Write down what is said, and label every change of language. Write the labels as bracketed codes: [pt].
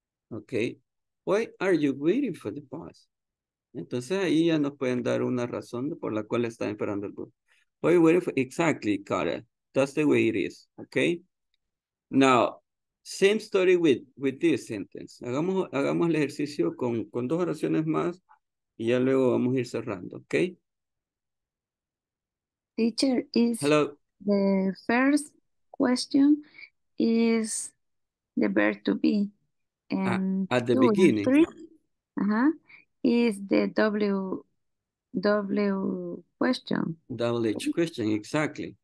[en] Okay, why are you waiting for the bus? [es] Entonces ahí ya nos pueden dar una razón por la cual están esperando el bus. [en] Why wait for, exactly, Cara. That's the way it is. Okay. Now, same story with this sentence. [es] Hagamos el ejercicio con dos oraciones más y ya luego vamos a ir cerrando. [en] Okay. Teacher, is hello. The first question is the verb to be. And at the beginning. Is the W question. Double H question, exactly.